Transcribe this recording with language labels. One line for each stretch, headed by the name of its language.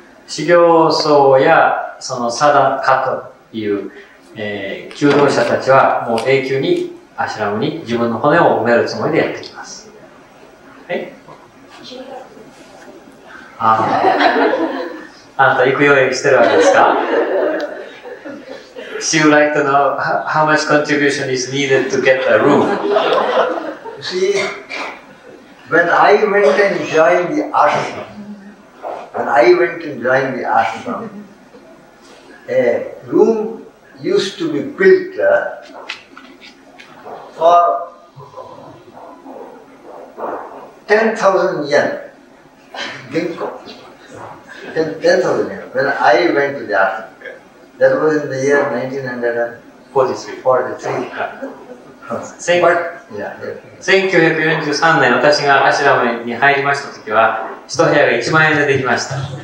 Japanese: 修行僧やそのサダカという、求道者たちはもう永久にアシュラムに自分の骨を埋めるつもりでやってきます。はい。あなた行く用意してるわけですか。
English: She would like to know how much contribution is needed to get a room. See. When I went and joined the ashram, a room used to be built for 10,000 yen. Ginkgo. 10,000 yen. When I went to the ashram. That was in the year 1943.
Japanese: 1943年、私がアシュラムに入りましたときは、一部屋が1万円でできました。